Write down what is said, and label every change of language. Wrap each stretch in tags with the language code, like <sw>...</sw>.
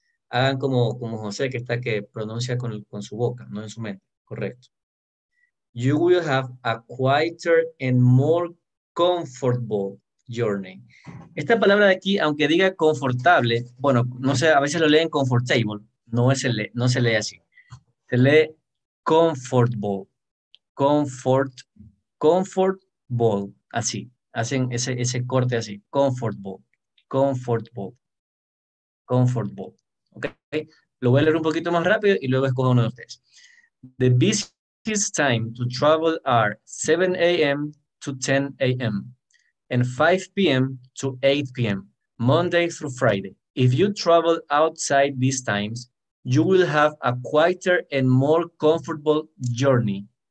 <es>Hagan como José, que está que pronuncia con su boca, no en su mente, correcto.</es> <en>You will have a quieter and more comfortable journey.</en> <es>Esta palabra de aquí, aunque diga confortable, bueno, no sé, a veces lo leen comfortable, no se lee así. Se lee comfortable, así. Hacen ese corte así, comfortable. Okay. Lo voy a leer un poquito más rápido y luego escojo uno de ustedes.</es> <en>The busiest time to travel are 7 a.m. to 10 a.m. and 5 p.m. to 8 p.m. Monday through Friday. If you travel outside these times, you will have a quieter and more comfortable journey.</en>